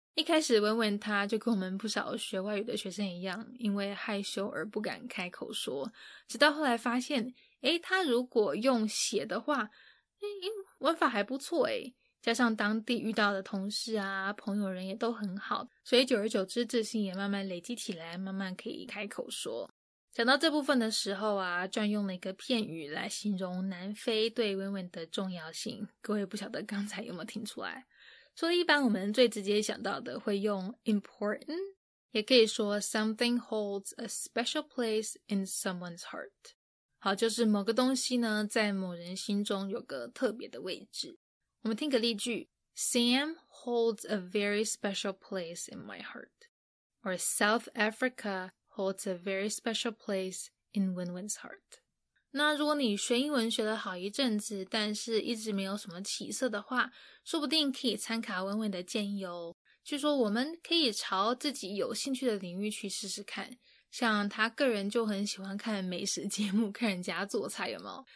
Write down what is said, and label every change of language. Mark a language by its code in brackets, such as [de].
[zh] 一开始文文他就跟我们不少学外语的学生一样，因为害羞而不敢开口说，直到后来发现他如果用写的话文法还不错，加上当地遇到的同事啊朋友人也都很好，所以久而久之自信也慢慢累积起来，慢慢可以开口说。讲到这部分的时候啊，专用了一个片语来形容南非对文文的重要性，各位不晓得刚才有没有听出来。所以一般我们最直接想到的会用 important， 也可以说 [en] something holds a special place in someone's heart。 [zh] 好，就是某个东西呢，在某人心中有个特别的位置。我们听个例句 [en] ：Sam holds a very special place in my heart， or South Africa holds a very special place in Wen Wen's heart。 [zh] 那如果你学英文学了好一阵子，但是一直没有什么起色的话，说不定可以参考Wen Wen的建议哦。据说我们可以朝自己有兴趣的领域去试试看，像他个人就很喜欢看美食节目，看人家做菜，有没有？